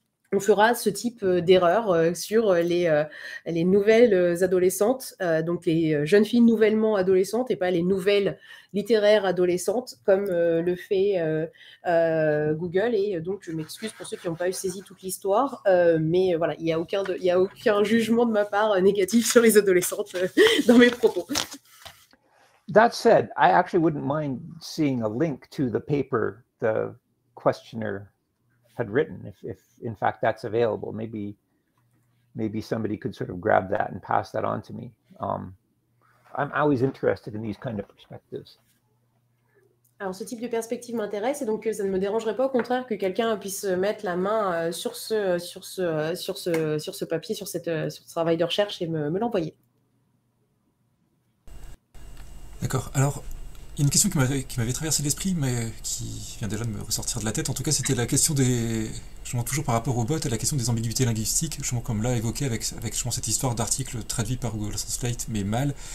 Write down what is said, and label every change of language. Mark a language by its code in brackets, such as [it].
[fr] on fera ce type d'erreur sur les nouvelles adolescentes, donc les jeunes filles nouvellement adolescentes et pas les nouvelles littéraires adolescentes comme le fait Google. Et donc, je m'excuse pour ceux qui n'ont pas eu saisi toute l'histoire, mais voilà, il n'y a aucun jugement de ma part négatif sur les adolescentes dans mes propos. [en] That said, I actually wouldn't mind seeing a link to the paper the questioner had written, if in fact that's available. Maybe somebody could sort of grab that and pass that on to me. I'm always interested in these kind of perspectives. [fr] Alors, ce type de perspective m'intéresse, et donc ça ne me dérangerait pas, au contraire, que quelqu'un puisse mettre la main sur ce papier, sur ce travail de recherche et me l'envoyer. D'accord. Alors, il y a une question qui m'avait traversé l'esprit, mais qui vient déjà de me ressortir de la tête. En tout cas, c'était la question toujours par rapport aux bots, et la question des ambiguïtés linguistiques, justement comme là évoqué avec cette histoire d'article traduit par Google Translate, mais mal.